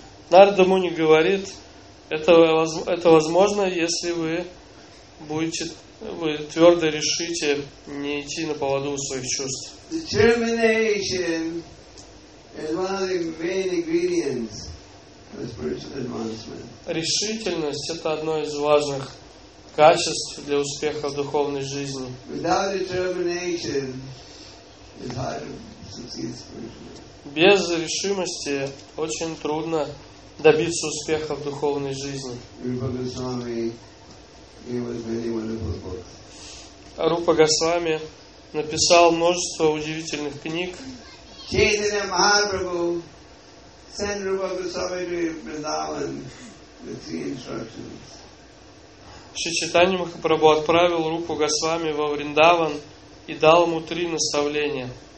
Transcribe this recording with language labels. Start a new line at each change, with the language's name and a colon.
Russian: Нарада Муни говорит, Это возможно, если вы будете, вы твердо решите не идти на поводу у своих чувств.
English: Determination is one of the main ingredients for spiritual advancement.
Russian: Решительность — это одно из важных качеств для успеха в духовной жизни.
English: Without determination, it's hard to succeed spiritually.
Russian: Без решимости очень трудно добиться успеха в духовной жизни.
English: Rupa Goswami, he has many wonderful books.
Russian: Рупа Госвами написал множество удивительных книг.
English: Chaitanya Mahaprabhu sent Rupa Goswami to Vrindavan with three instructions.
Russian: Шри Чайтанья Махапрабху отправил Рупу Госвами во Вриндаван и дал ему три наставления.